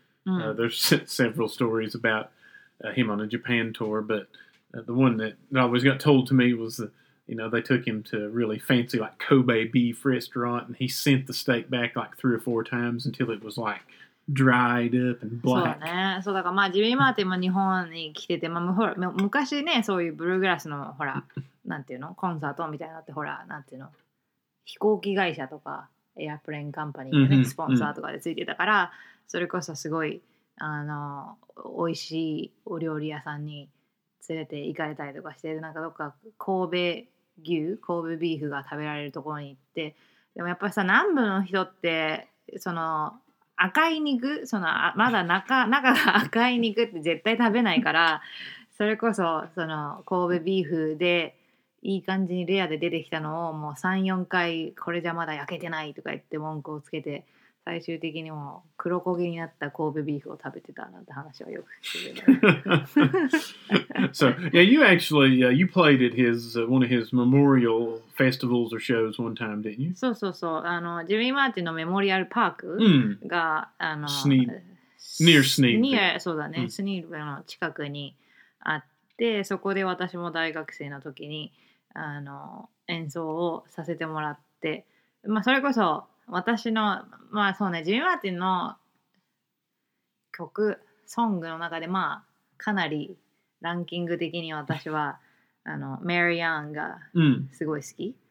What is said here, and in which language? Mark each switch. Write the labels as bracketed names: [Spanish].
[English] There's several stories about him on a Japan tour, but the one that always got told to me was, you know, they took him to a really fancy, like, Kobe beef restaurant, and he sent the steak back, like, 3 or 4 times until it was, like, dried up and black. [Japanese] そうね。そうだから、まあ、ジミー・マーティンも日本に来てて、まあ、ほら、昔ね、そういうブルーグラスの、ほら、なんていうの、コンサートみたいなって、ほら、なんていうの。飛行機会社とかエアプレインカンパニーの、ね、スポンサーとかでついてたから、それこそすごいあの美味しいお料理屋さんに連れて行かれたりとかして、なんかどっか神戸牛、神戸ビーフが食べられるところに行って、でもやっぱりさ、南部の人ってその赤い肉、そのまだ中が赤い肉って絶対食べないから、それこそその神戸ビーフでいい感じにレアで出てきたのをもう 3、4回、これじゃまだ焼けてないとか言って文句をつけて、最終的にもう黒焦げになった神戸ビーフを食べてたなんて話はよく聞いてる。 [English] So, yeah, you actually, you played at his, one of his memorial festivals or shows one time, didn't you? [Japanese] そうそうそう。あの、ジミー・マーティンのメモリアルパークが、あの、 [English] near Sneed. Near, [Japanese] そうだね。 Sneed の近くにあって、そこで私も大学生の時に、あの演奏をさせてもらって、まあ、それこそ私の、まあそうね、ジミー・マーティンの曲ソングの中で、まあ、かなりランキング的に私はあのメリー・アンがすごい好き、